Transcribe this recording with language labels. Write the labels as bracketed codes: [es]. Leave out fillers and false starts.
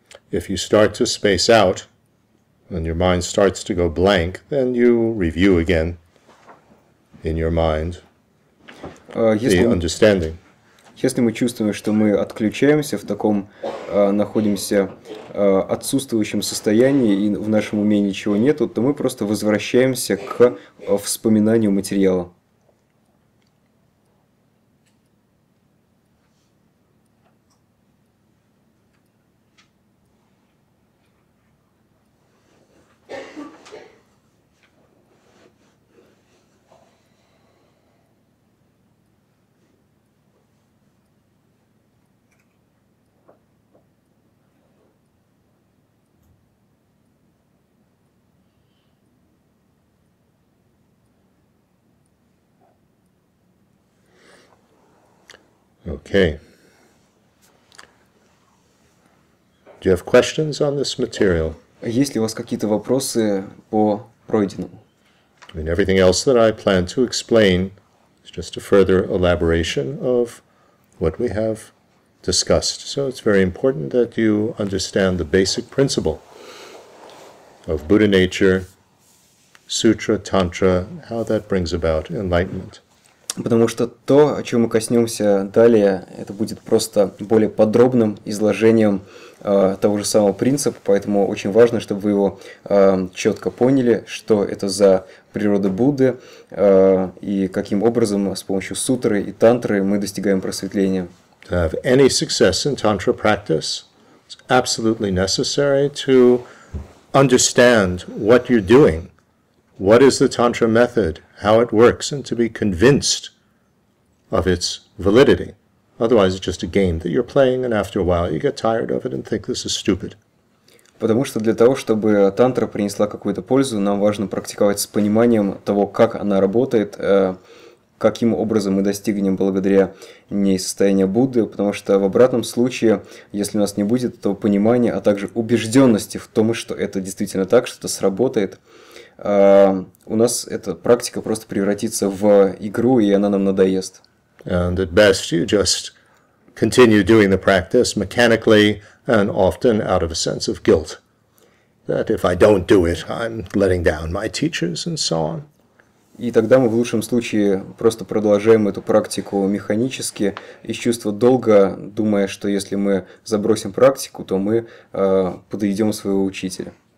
[en] If you start to space out and your mind starts to go blank, then you review again in your mind the understanding. [ru] Если мы чувствуем, что мы отключаемся в таком находимся отсутствующем состоянии и в нашем уме ничего нету, то мы просто возвращаемся к вспоминанию материала. [en] Okay. Do you have questions on this material? [ru] Есть ли у вас какие-то вопросы по пройденному? [en] And everything else that I plan to explain is just a further elaboration of what we have discussed. So it's very important that you understand the basic principle of Buddha nature, sutra, tantra, how that brings about enlightenment. [ru] Потому что то, о чем мы коснемся далее, это будет просто более подробным изложением того же самого принципа, поэтому очень важно, чтобы вы его четко поняли, что это за природа Будды и каким образом с помощью сутры и тантры мы достигаем просветления. [en] To have any success in tantra practice, it's absolutely necessary to understand what you're doing. What is the tantra method? How it works, and to be convinced of its validity. Otherwise, it's just a game that you're playing, and after a while, you get tired of it and think this is stupid. [ru] Потому что для того, чтобы тантра принесла какую-то пользу, нам важно практиковать с пониманием того, как она работает, каким образом мы достигнем благодаря ней состояния Будды, потому что в обратном случае, если у нас не будет этого понимания, а также убежденности в том, что это действительно так, что это сработает, у нас эта практика просто превратится в игру, и она нам надоест. [en] And at best you just continue doing the practice mechanically and often out of a sense of guilt. That if I don't do it, I'm letting down my teachers and so on. [ru] И тогда мы в лучшем случае просто продолжаем эту практику механически, из чувства долга, думая, что если мы забросим практику, то мы подведем своего учителя.